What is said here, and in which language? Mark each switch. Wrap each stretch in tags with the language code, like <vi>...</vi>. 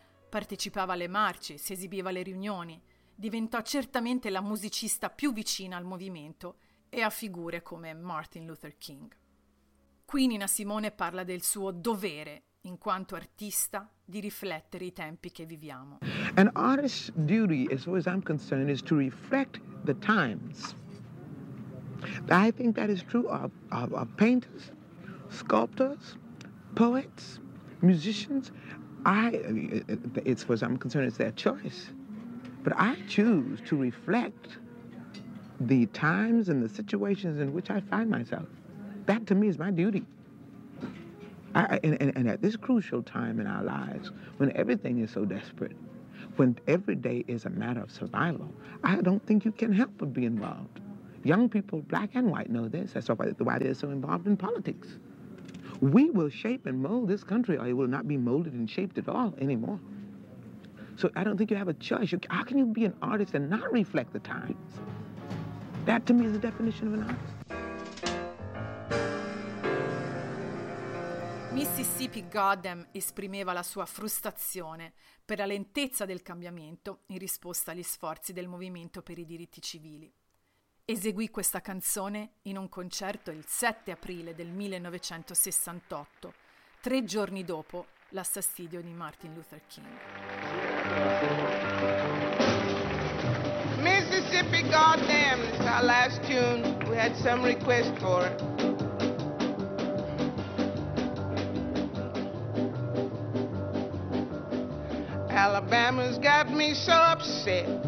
<it>Partecipava alle marce, si esibiva alle riunioni, diventò certamente la musicista più vicina al movimento e a figure come Martin Luther King. Qui Nina Simone parla del suo dovere, in quanto artista, di riflettere i tempi che viviamo.</it> <en>An artist's duty, as far as I'm concerned, is to reflect the times. I think that is true of painters, sculptors, poets, musicians. It's as far as I'm concerned, it's their choice. But I choose to reflect the times and the situations in which I find myself. That to me is my duty. And at this crucial time in our lives, when everything is so desperate, when every day is a matter of survival, I don't think you can help but be involved. Young people, black and white, know this. That's why they're so involved in politics. We will shape and mold this country, or it will not be molded and shaped at all anymore. So I don't think you have a choice. How can you be an artist and not reflect the times? That, to me, is the definition of an artist.</en> <it>Mississippi Goddam esprimeva la sua frustrazione per la lentezza del cambiamento in risposta agli sforzi del movimento per i diritti civili. Eseguì questa canzone in un concerto il 7 aprile del 1968, 3 giorni dopo l'assassinio di Martin Luther King.</it> <en>Mississippi Goddam is our last tune we had some request for. Alabama's got me so upset.</en>